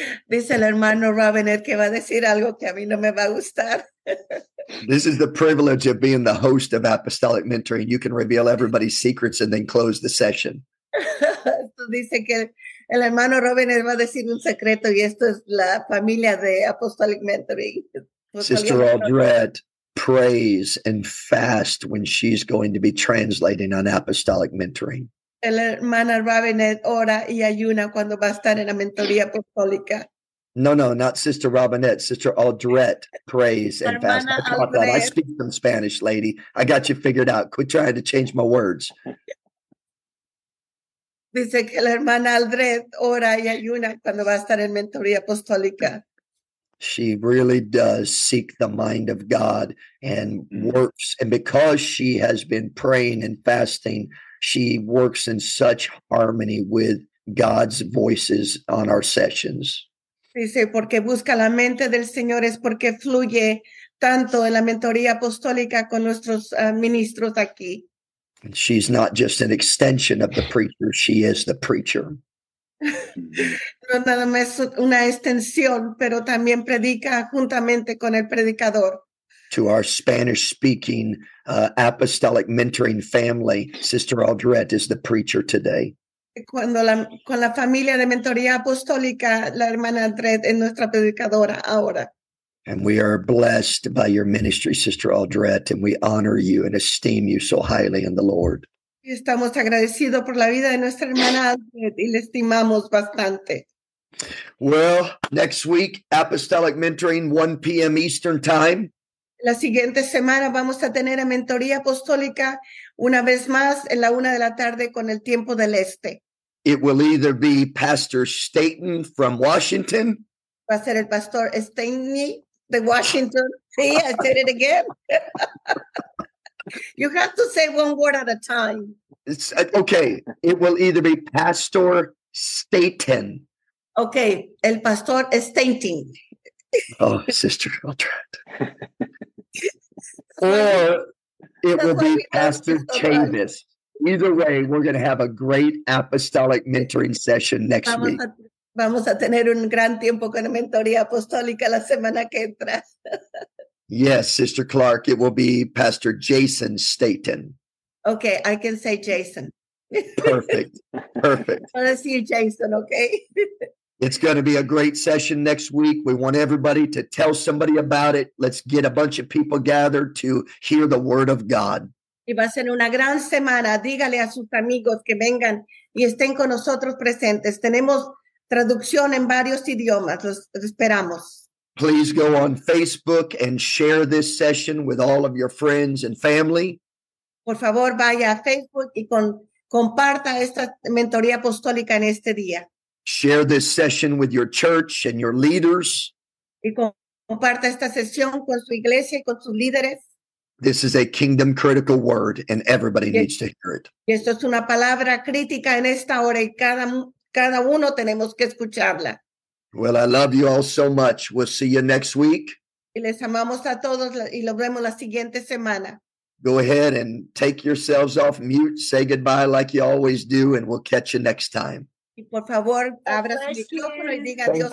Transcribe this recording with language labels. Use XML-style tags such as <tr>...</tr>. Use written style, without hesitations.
<es>Dice el hermano Robinette que va a decir algo que a mí no me va a gustar.</es> <en>This is the privilege of being the host of Apostolic Mentoring. You can reveal everybody's secrets and then close the session.</en> <es>Dice que el hermano Robinette va a decir un secreto y esto es la familia de Apostolic Mentoring.</es> <en>Sister Audrette prays and fast when she's going to be translating on Apostolic Mentoring.</en> <es>El hermana Robinette ora y ayuna cuando va a estar en la mentoría apostólica.</es> <en>No, not Sister Robinette. Sister Audrette prays and fast. I speak some Spanish, lady. I got you figured out. Quit trying to change my words.</en> <es>Dice que la hermana Audrette ora y ayuna cuando va a estar en mentoría apostólica.</es> <en>She really does seek the mind of God and works. And because she has been praying and fasting, she works in such harmony with God's voices on our sessions.</en> <es>Dice, porque busca la mente del Señor es porque fluye tanto en la mentoría apostólica con nuestros ministros aquí.</es> <en>And she's not just an extension of the preacher, she is the preacher.</en> <es>No nada más una extensión, pero también predica juntamente con el predicador.</es> <en>To our Spanish speaking apostolic mentoring family, Sister Audrette is the preacher today.</en> <es>Con la familia de mentoría apostólica, la hermana Audrette es nuestra predicadora ahora.</es> <en>And we are blessed by your ministry, Sister Audrette, and we honor you and esteem you so highly in the Lord.</en> <es>Estamos agradecidos por la vida de nuestra hermana y le estimamos bastante.</es> <en>Well, next week, Apostolic Mentoring, 1 p.m. Eastern Time.</en> <es>La siguiente semana vamos a tener a Mentoría Apostólica una vez más en la 1 de la tarde con el tiempo del Este.</es> <en>It will either be Pastor Staten from Washington.</en> <es>Va a ser el Pastor Staten de Washington. Sí,</es> <en>I said it again. You have to say one word at a time. Okay, it will either be Pastor Staten.</en> <es>Okay, el Pastor Staten.</es> <en>Oh, Sister Audrette. Or it will be Pastor Chavis. Either way, we're going to have a great apostolic mentoring session next week.</en> <es>Vamos a tener un gran tiempo con la mentoría apostólica la semana que entra.</es> <en>Yes, Sister Clark, it will be Pastor Jason Staten. Okay, I can say Jason. Perfect. Perfect. I want to see you, Jason, okay? It's going to be a great session next week. We want everybody to tell somebody about it. Let's get a bunch of people gathered to hear the word of God.</en> <es>Y va a ser una gran semana. Dígale a sus amigos que vengan y estén con nosotros presentes. Tenemos traducción en varios idiomas. Los esperamos.</es> <en>Please go on Facebook and share this session with all of your friends and family.</en> <es>Por favor, vaya a Facebook y comparta esta mentoría apostólica en este día.</es> <en>Share this session with your church and your leaders.</en> <es>Y comparta esta sesión con su iglesia y con sus líderes.</es> <en>This is a kingdom critical word, and everybody needs to hear it.</en> <es>Y esto es una palabra crítica en esta hora, y cada uno tenemos que escucharla.</es> <en>Well, I love you all so much. We'll see you next week.</en> <es>Y les amamos a todos, y los vemos la siguiente semana.</es> <en>Go ahead and take yourselves off mute. Say goodbye like you always do, and we'll catch you next time.</en> <es>Y por favor, abra su micrófono y diga adiós.</es>